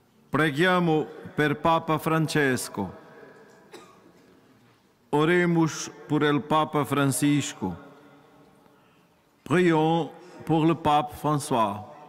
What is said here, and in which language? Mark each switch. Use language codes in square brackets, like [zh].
[it] Preghiamo per Papa Francesco. [es] Oremos por el Papa Francisco. [fr] Prions pour le Pape François.